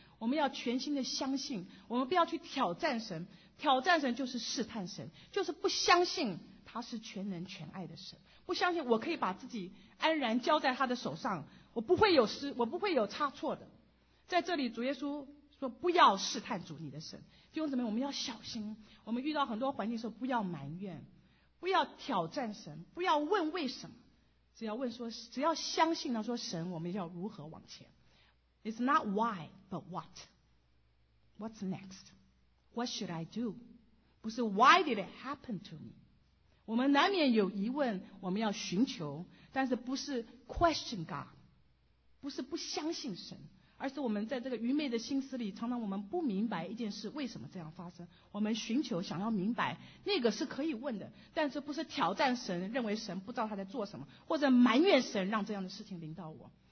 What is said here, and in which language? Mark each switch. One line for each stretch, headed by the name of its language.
Chinese: 我们要全心的相信，我们不要去挑战神，挑战神就是试探神，就是不相信他是全能全爱的神，不相信我可以把自己安然交在他的手上，我不会有失，我不会有差错的。在这里主耶稣说不要试探主你的神。弟兄姊妹，我们要小心，我们遇到很多环境的时候不要埋怨，不要挑战神，不要问为什么，只要问说，只要相信他说，神我们要如何往前。
English: It's not why but what, what's next, what should I do,
Chinese: 不是
English: why did it happen to me。
Chinese: 我们难免有疑问，我们要寻求，但是不是
English: question God,
Chinese: 不是不相信神，而是我们在这个愚昧的心思里，常常我们不明白一件事为什么这样发生，我们寻求想要明白，那个是可以问的，但是不是挑战神，认为神不知道他在做什么，或者埋怨神让这样的事情临到我。